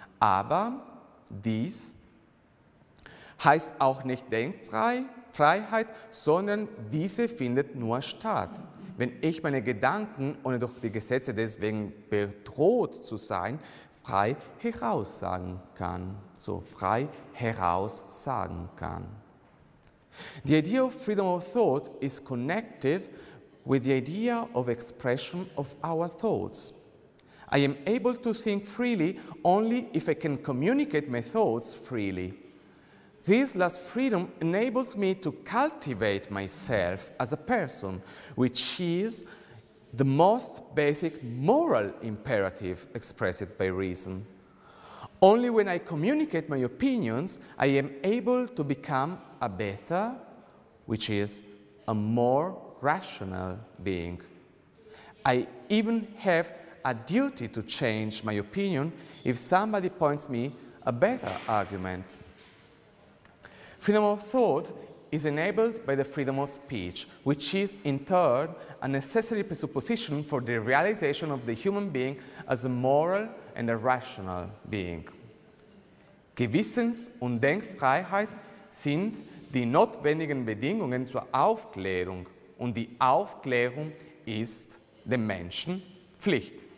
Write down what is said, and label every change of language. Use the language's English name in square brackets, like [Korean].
[German] Aber dies heißt auch nicht Denkfreiheit, sondern diese findet nur statt. Wenn ich meine Gedanken, ohne durch die Gesetze deswegen bedroht zu sein, frei heraussagen kann. So, frei heraussagen kann. [English] The idea of freedom of thought is connected with the idea of expression of our thoughts. I am able to think freely only if I can communicate my thoughts freely. This last freedom enables me to cultivate myself as a person, which is the most basic moral imperative expressed by reason. Only when I communicate my opinions, I am able to become a better, which is a more rational being. I even have a duty to change my opinion if somebody points me a better argument. Freedom of thought is enabled by the freedom of speech, which is in turn a necessary presupposition for the realization of the human being as a moral and a rational being. [German] Gewissens- und Denkfreiheit sind die notwendigen Bedingungen zur Aufklärung, und die Aufklärung ist dem Menschen Pflicht.